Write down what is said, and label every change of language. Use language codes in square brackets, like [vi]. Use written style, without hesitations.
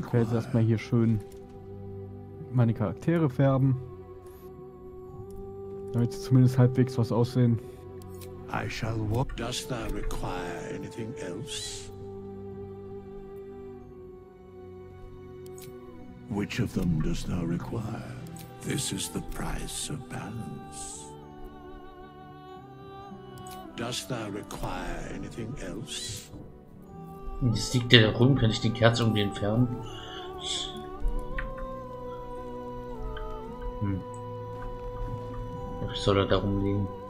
[de] Ich werde jetzt erstmal hier schön meine Charaktere färben. Damit sie zumindest halbwegs was aussehen. [en] I shall walk. Does thou require anything else? Which of them does thou require? This is the price of balance. Does thou require anything else? [de] Das liegt der rum, kann ich den Kerz irgendwie entfernen? Hm. Soll er da rumliegen?